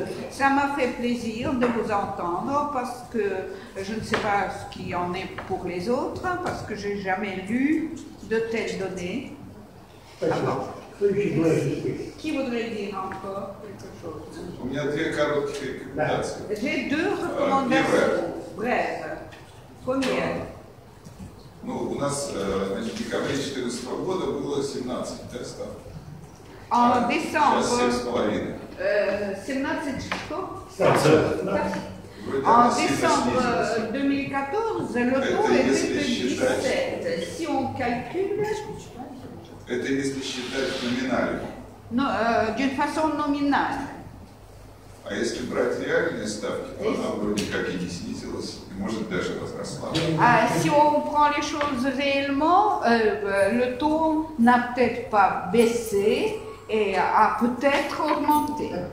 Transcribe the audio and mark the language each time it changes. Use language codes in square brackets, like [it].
[fr] ça m'a fait plaisir de vous entendre parce que je ne sais pas ce qu'il y en est pour les autres parce que je n'ai jamais lu de telles données. Qui voudrait dire encore quelque chose? J'ai deux recommandations brèves. Combien? [ru] Ну, у нас, значит, в декабре 2014 года было 17, да, ставки. А в декабре? Сейчас 7,5. 17 что? Ставки. А в декабре 2014 год это если 17. [fr] Si on calcule... [ru] Это если считать номинально. [fr] Но, d'une façon nominale. [ru] А если брать реальные ставки, то она вроде как и не снизилась, и может даже возросла. [fr] Si on prend les choses réellement, le taux n'a peut-être pas baissé, et a peut-être augmenté.